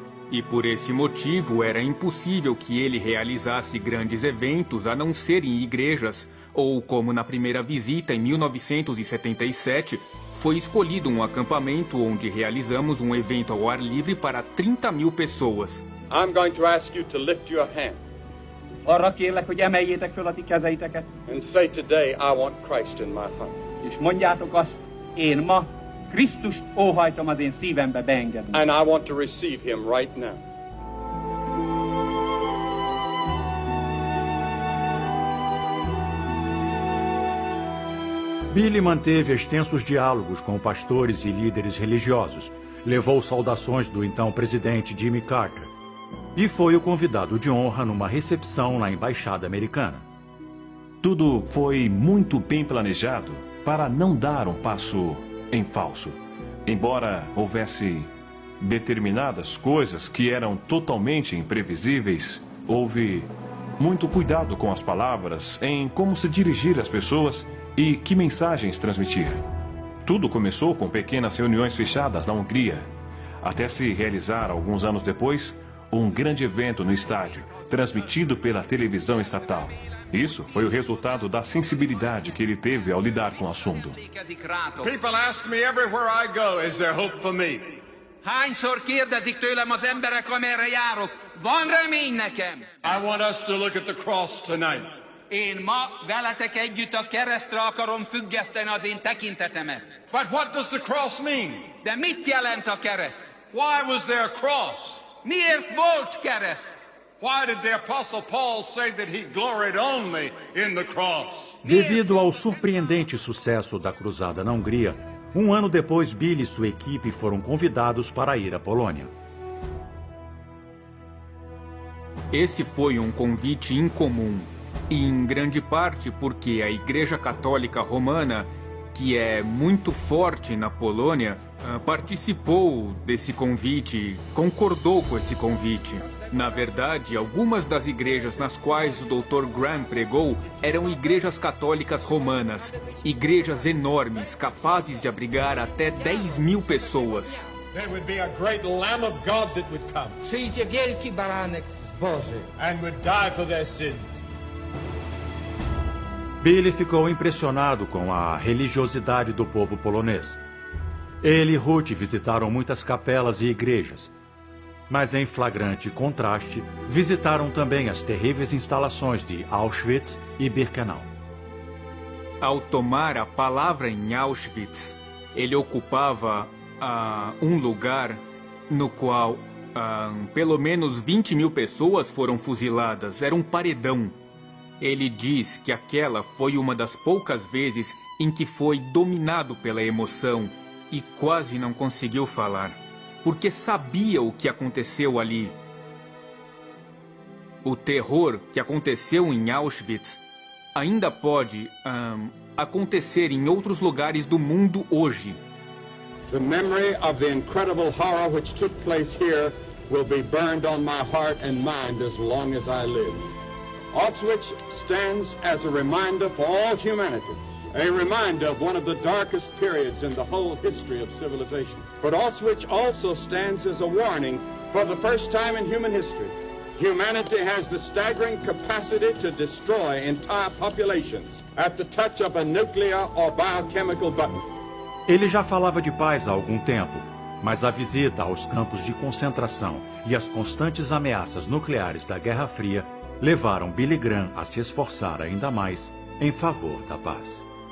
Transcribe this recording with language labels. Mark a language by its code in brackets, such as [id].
[pt] E por esse motivo, era impossível que ele realizasse grandes eventos a não ser em igrejas, ou como na primeira visita em 1977, foi escolhido um acampamento onde realizamos um evento ao ar livre para 30 mil pessoas. [en] I'm going to ask you to lift your hand. [hu] Arra kérlek, hogy emeljétek fel a ti kezeiteket. [en] And say today, I want Christ in my heart. [hu] És mondjátok azt, én ma Krisztust óhajtom az én szívembe beengedni. [en] And I want to receive him right now. [pt] Billy manteve extensos diálogos com pastores e líderes religiosos, levou saudações do então presidente Jimmy Carter e foi o convidado de honra numa recepção na embaixada americana. Tudo foi muito bem planejado para não dar um passo em falso, embora houvesse determinadas coisas que eram totalmente imprevisíveis, houve muito cuidado com as palavras, em como se dirigir às pessoas e que mensagens transmitir. Tudo começou com pequenas reuniões fechadas na Hungria, até se realizar, alguns anos depois, um grande evento no estádio, transmitido pela televisão estatal. Isso foi o resultado da sensibilidade que ele teve ao lidar com o assunto. [en] People ask me everywhere I go, is there hope for me? [hu] Hányszor kérdezik tőlem az emberek, amerre járok, van remény nekem? [en] I want us to look at the cross tonight. [hu] Én ma veletek együtt a keresztre akarom függeszteni az én tekintetemet. [en] But what does the cross mean? [hu] De mit jelent a kereszt? [en] Why was there a cross? [hu] Miért volt kereszt? [en] Why did the apostle Paul say that he gloried only in the cross? [pt] Devido ao surpreendente sucesso da cruzada na Hungria, um ano depois Billy e sua equipe foram convidados para ir à Polônia. Esse foi um convite incomum, e em grande parte porque a Igreja Católica Romana, que é muito forte na Polônia, participou desse convite, concordou com esse convite. Na verdade, algumas das igrejas nas quais o Dr. Graham pregou eram igrejas católicas romanas, igrejas enormes, capazes de abrigar até 10 mil pessoas. [en] There would be a great Lamb of God that would come. [pl] Przyjdzie wielki baranek z Boży. [en] And would die for their sins. [pt] Billy ficou impressionado com a religiosidade do povo polonês. Ele e Ruth visitaram muitas capelas e igrejas, mas em flagrante contraste, visitaram também as terríveis instalações de Auschwitz e Birkenau. Ao tomar a palavra em Auschwitz, ele ocupava um lugar no qual pelo menos 20 mil pessoas foram fuziladas. Era um paredão. Ele diz que aquela foi uma das poucas vezes em que foi dominado pela emoção e quase não conseguiu falar, porque sabia o que aconteceu ali. O terror que aconteceu em Auschwitz ainda pode acontecer em outros lugares do mundo hoje. [en] The memory of the incredible horror which took place here will be burned on my heart and mind as long as I live. Auschwitz stands as a reminder for all humanity, a reminder of one of the darkest periods in the whole history of civilization. But Auschwitz also stands as a warning. For the first time in human history, humanity has the staggering capacity to destroy entire populations at the touch of a nuclear or biochemical button. [pt] Ele já falava de paz há algum tempo, mas a visita aos campos de concentração e as constantes ameaças nucleares da Guerra Fria levaram Billy Graham a se esforçar ainda mais em favor da paz.